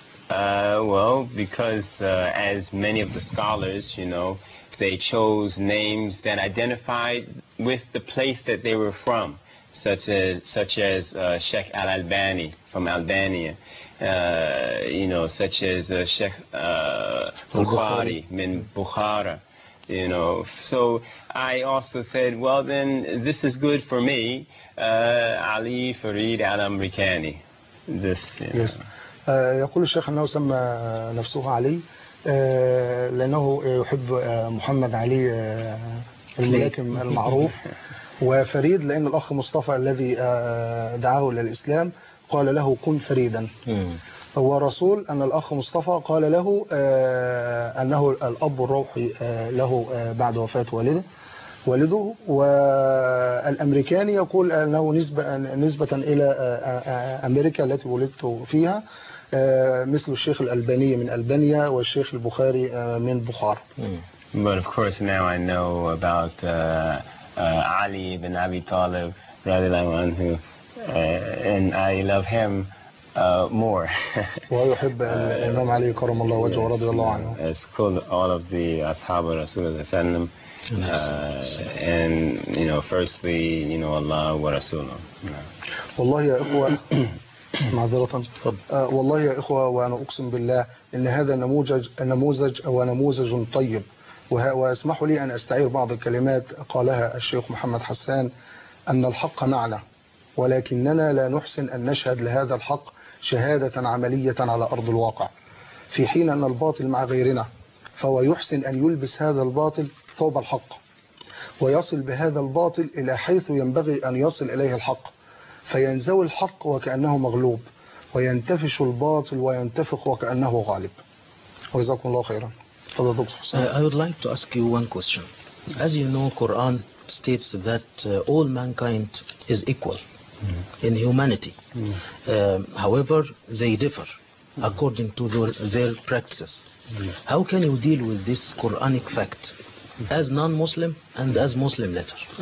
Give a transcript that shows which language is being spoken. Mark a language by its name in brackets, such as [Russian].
[English] Well, because as many of the scholars, you know, they chose names that identified with the place that they were from, such as Sheikh Al Albani from Albania, you know, such as Sheikh Bukhari min Bukhara, you know. So I also said, well, then this is good for me, Ali Farid Al Amrikani. This. Yes. [Arabic] يقول الشيخ أنه سمى نفسه علي لأنه يحب محمد علي الملاكم المعروف وفريد لأن الأخ مصطفى الذي دعاه للإسلام قال له كن فريدا هو رسول أن الأخ مصطفى قال له أنه الأب الروحي له بعد وفاة والده والأمريكاني يقول أنه نسبة إلى أمريكا التي ولدت فيها مثل الشيخ الألباني من ألبانيا والشيخ البخاري من بخار. [English] But of course now I know about Ali ibn Abi Talib [Arabic] رضي الله عنه [English] and I love him more. [Arabic] ويحب الإمام علي كرم الله وجهه رضي الله عنه. [English] It's called all of the [Arabic] أصحاب رسول الله صلى الله عليه وسلم. [English] And you know, firstly, you know, Allah ورسوله. [Arabic] والله يا إخوة معذرة والله يا إخوة وأنا أقسم بالله إن هذا نموذج ونموذج طيب واسمحوا لي أن أستعير بعض الكلمات قالها الشيخ محمد حسان أن الحق معنا ولكننا لا نحسن أن نشهد لهذا الحق شهادة عملية على أرض الواقع في حين أن الباطل مع غيرنا فهو يحسن أن يلبس هذا الباطل ثوب الحق ويصل بهذا الباطل إلى حيث ينبغي أن يصل إليه الحق فينزوي الحق وكأنه مغلوب وينتفش الباطل وينتفخ وكأنه غالب وجزاكم الله خيرا تفضل دكتور حسين. [English] I would like to ask you one question. As you know, Quran states that all mankind is equal in humanity. However, they differ according to their practices. How can you deal with this Quranic fact as non-Muslim and as Muslim later?